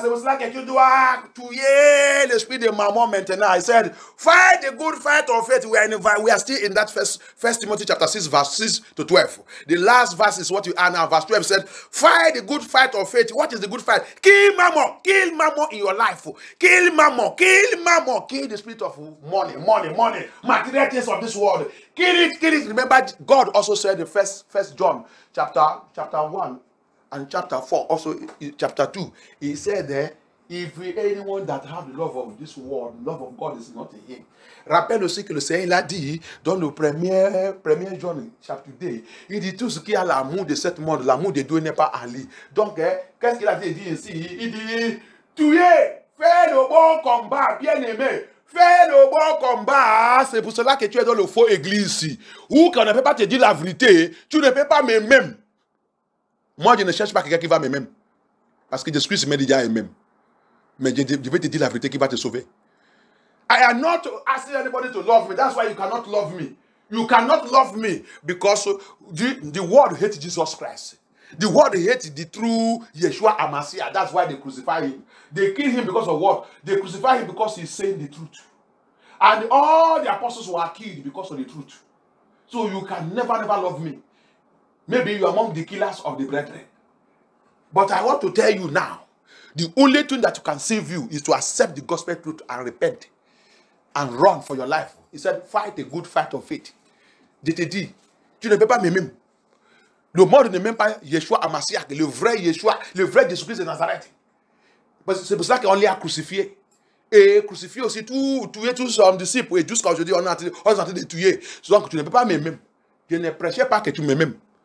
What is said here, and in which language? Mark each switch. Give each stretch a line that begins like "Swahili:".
French: C'est pour cela que tu dois tuer l'esprit de Mammon maintenant.
English: Il said, fight the good fight of faith. We are still in that first Timothy chapter 6, verse 6 to 12. The last verse is what you are now. Verse 12 said, fight the good fight of faith. What is the good fight? Kill Mammon. Kill Mammon in your life. Kill Mammon. Kill Mammon. Kill the spirit of money. Material things of this world. Kill it. Remember, God also said in first John chapter 1 and chapter 4, also chapter 2, he said that if anyone that has the love of this world, love of God is not in him.
French: Rappelle aussi que le Seigneur l'a dit dans le premier John
English: chapter 2,
French: il dit tout ce qui a l'amour de cette monde, l'amour de Dieu n'est pas en lui. Donc, qu'est-ce qu'il a dit ici? Il dit, tu es, fais le bon combat, bien aimé. Fais le bon combat. C'est pour cela que tu es dans le faux église ici. Ou qu'on ne peut pas te dire la vérité, tu ne peux pas m'aimer. Moi, je ne cherche pas quelqu'un qui va m'aimer. Parce que Jésus Christ m'a déjà aimé. Mais je vais te dire la vérité qui va te sauver.
English: I am not asking anybody to love me. That's why you cannot love me. You cannot love me because the world hates Jesus Christ. The world hates the true Yeshua Amasiah. That's why they crucify him. They kill him because of what? They crucify him because he's saying the truth. And all the apostles were killed because of the truth. So you can never love me. Maybe you are among the killers of the brethren. But I want to tell you now, the only thing that can save you is to accept the gospel truth and repent and run for your life. He said, fight a good fight of faith.
French: J'étais dit, tu ne peux pas m'aimer. Le monde n'est même pas Yeshua Amasiah, le vrai Yeshua, le vrai Jésus-Christ de Nazareth. Parce que c'est pour ça qu'on l'a crucifié. Et crucifié aussi tous son disciples. Et jusqu'à aujourd'hui, on est en train de tuer. Donc, tu ne peux pas m'aimer. Je ne prêche pas que tu m'aimes.